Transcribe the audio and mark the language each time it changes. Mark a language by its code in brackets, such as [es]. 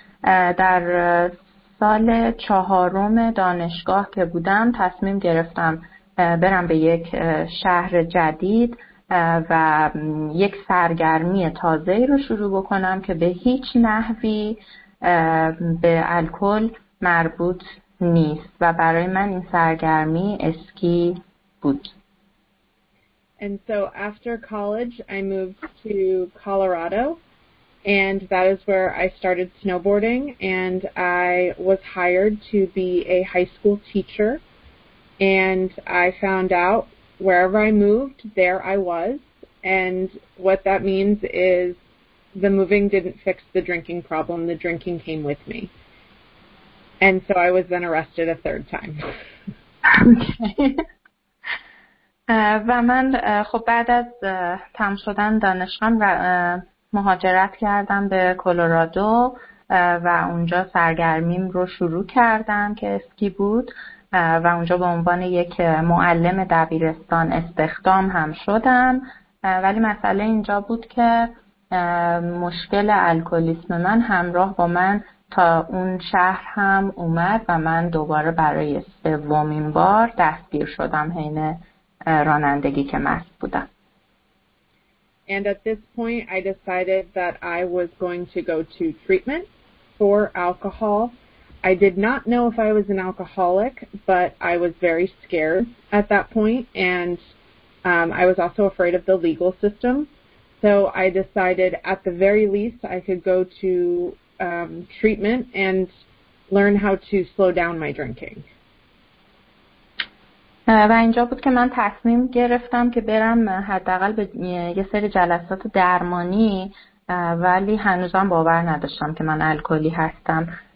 [fa] در سال چهارم دانشگاه که بودم تصمیم گرفتم برم به یک شهر جدید و یک سرگرمی تازه رو شروع بکنم که به هیچ نحوی به الکل مربوط نیست و برای من این سرگرمی اسکی بود. [en] And so after college, I moved to Colorado, and that is where I started snowboarding, and I was hired to be a high school teacher, and I found out wherever I moved, there I was, and what that means is the moving didn't fix the drinking problem, the drinking came with me, and so I was then arrested a third time. Okay. [fa] و من خب بعد از تم شدن دانشگاهم مهاجرت کردم به کلرادو و اونجا سرگرمیم رو شروع کردم که اسکی بود و اونجا به عنوان یک معلم دبیرستان استخدام هم شدم، ولی مسئله اینجا بود که مشکل الکلیسم من همراه با من تا اون شهر هم اومد و من دوباره برای سومین بار دستگیر شدم حینه رانندگی که مست بودم. [en] And at this point I decided that I was going to go to treatment for alcohol. I did not know if I was an alcoholic, but I was very scared at that point, and I was also afraid of the legal system. So I decided at the very least I could go to treatment and learn how to slow down my drinking. [fa] و اینجا بود که من تصمیم گرفتم که برم حداقل به یه سری جلسات درمانی، ولی هنوزم باور نداشتم که من الکلی هستم.